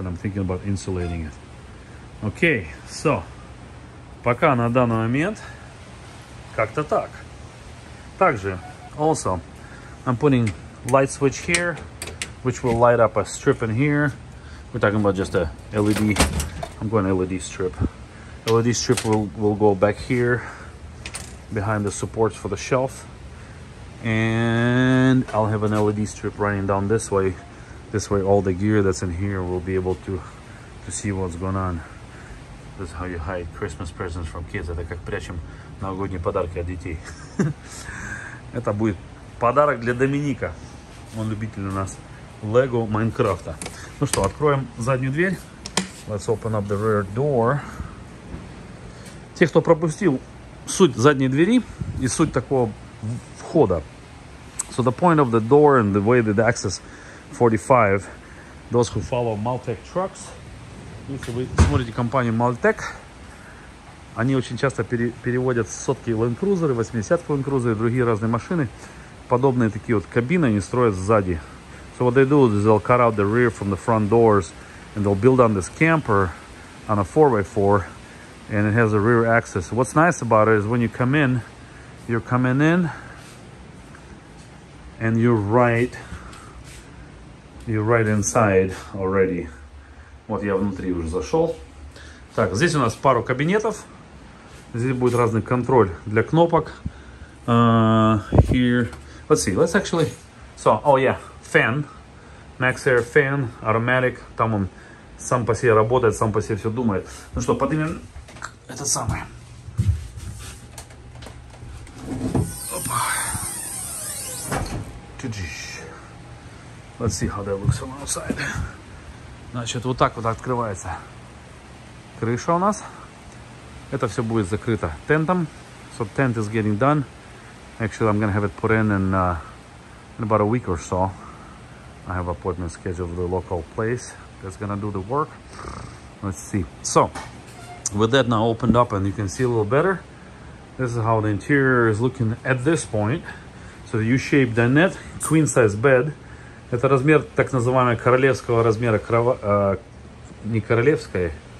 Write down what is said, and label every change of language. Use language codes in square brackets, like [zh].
[en] And I'm thinking about insulating it. Okay, so [ru] пока на данный момент как-то так. Также, [en] also, I'm putting light switch here, which will light up a strip in here. We're talking about just a LED. I'm going LED strip. LED strip will go back here behind the supports for the shelf. And I'll have an LED strip running down this way. This way all the gear that's in here will be able to see what's going on. This is how you hide Christmas presents from kids. [ru] Это как прячем новогодние подарки от детей. Это будет подарок для Доминика. Он любитель у нас Lego Minecraft. Ну что, откроем заднюю дверь. [en] Let's open up the rear door. [ru] Те, кто пропустил суть задней двери и суть такого входа. [en] So the point of the door and the way that it access 45, those who follow Maltech trucks, [ru] если вы смотрите компанию Maltech, они очень часто переводят сотки Land Cruiser, 80-ки Land Cruiser и другие разные машины. Подобные такие вот кабины они строят сзади. [en] So what they do is they'll cut out the rear from the front doors and they'll build on this camper on a 4x4 and it has a rear access. What's nice about it is when you come in, you're coming in and you're right inside already. [ru] Вот я внутри уже зашел. Так, здесь у нас пару кабинетов. Здесь будет разный контроль для кнопок. [en] Here, let's see, let's actually, so, oh yeah, fan, max air fan, automatic, [ru] там он сам по себе работает, сам по себе все думает. Ну что, поднимем это самое. Опа. [en] Let's see how that looks from outside. [ru] Значит, вот так вот открывается крыша у нас. Это все будет закрыто тентом. [en] So tent is getting done. Actually, I'm going to have it put in about a week or so. I have an appointment scheduled with a local place that's going to do the work. Let's see. So, with that now opened up and you can see a little better. This is how the interior is looking at this point. So the U-shaped dinette, queen size bed. [ru] Это размер так называемого королевского размера королевская.